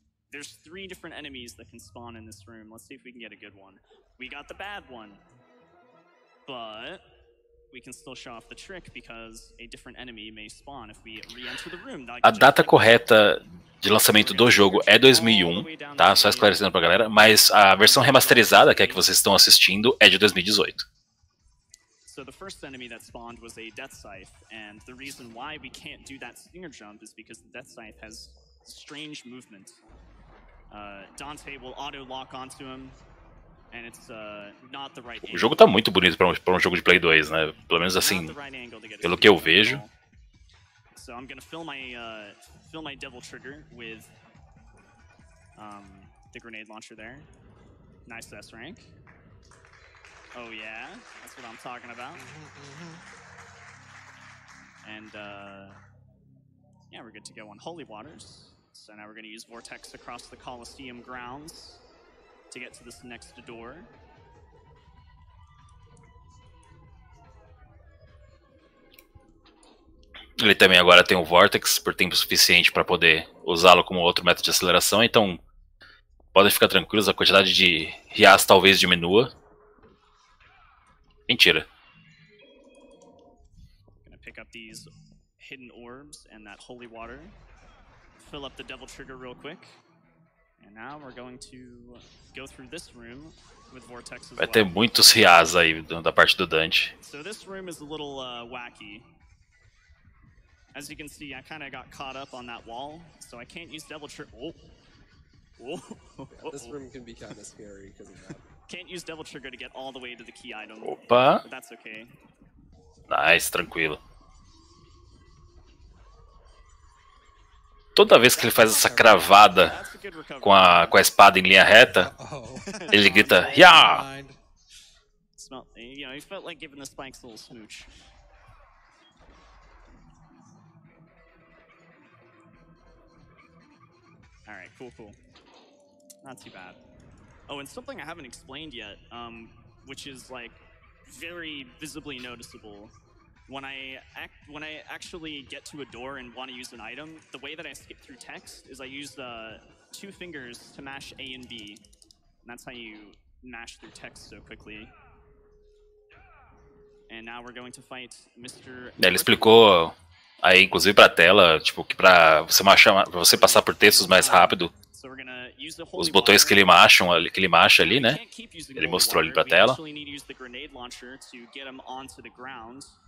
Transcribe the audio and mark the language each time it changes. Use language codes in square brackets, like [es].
[en] There's three different enemies that can spawn in this room. Let's see if we can get a good one. We got the bad one. But we can still show off the trick because a different enemy may spawn if we re-enter the room. [pt] A data correta de lançamento do jogo é 2001, tá? Só esclarecendo pra galera, mas a versão remasterizada, que é a que vocês estão assistindo, é de 2018. [en] So the first enemy that spawned was a Death Scythe, and the reason why we can't do that stinger jump is because the Death Scythe has strange movement. Dante will auto lock onto him. And it's, not the right [pt] angle. O jogo tá muito bonito para um jogo de Play 2, né? Pelo menos assim, pelo que eu vejo. [en] So I'm gonna fill my devil trigger with the grenade launcher there. Nice S rank. Oh yeah, that's what I'm talking about. And yeah, we're good to go on Holy Waters. So now we're gonna use Vortex across the Colosseum grounds to get to this next door. [pt] Ele também agora tem o Vortex por tempo suficiente para poder usá-lo como outro método de aceleração, então podem ficar tranquilos, a quantidade de Rias talvez diminua. Mentira. [en] Gonna pick up these hidden orbs and that holy water. Fill up the devil trigger real quick. And now we're going to go through this room with Vortex as well. [pt] Vai ter muitos Rias aí da parte do Dante. [en] So this room is a little wacky. As you can see, I kind of got caught up on that wall, so I can't use devil trigger. Oh. Yeah, this room can be kind of scary because of that. Can't use devil trigger to get all the way to the key item. [pt] Opa. [en] But that's okay. [pt] Nice, tranquilo. Toda vez que ele faz essa cravada com a espada em linha reta, ele grita "Ya!" [en] You know, he felt like giving the spikes a little smooch. Alright, cool. Not too bad. Oh, and something I haven't explained yet, which is like very visibly noticeable. When I actually get to a door and want to use an item, the way that I skip through text is I use the two fingers to mash A and B. And that's how you mash through text so quickly. And now we're going to fight Mr. [pt] Ele explicou aí, inclusive pra tela, tipo, que pra você machar, pra você passar por textos mais rápido, [en] so we're gonna use the [pt] os botões que ele macha ali, né? Ele mostrou ali pra tela. [en] We need to use the grenade launcher to get him onto the ground.